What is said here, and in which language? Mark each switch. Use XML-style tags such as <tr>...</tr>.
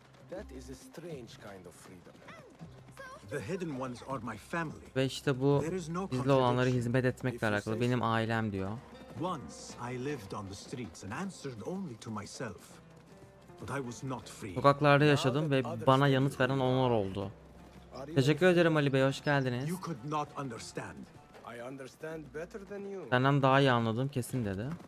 <en>That is a strange kind of freedom. The hidden ones are my family.</en> <tr>Ve işte bu gizli olanlara hizmet etmekle alakalı. Benim ailem diyor.</tr> <en>Once I lived on the streets and answered only to myself. But I was not free.</en> <tr>Sokaklarda yaşadım ve bana yanıt veren onlar oldu. Teşekkür ederim Ali Bey, hoş geldiniz.</tr> <en>You could not understand. I understand better than you.</en> <tr>Senden daha iyi anladım kesin dedi.</tr>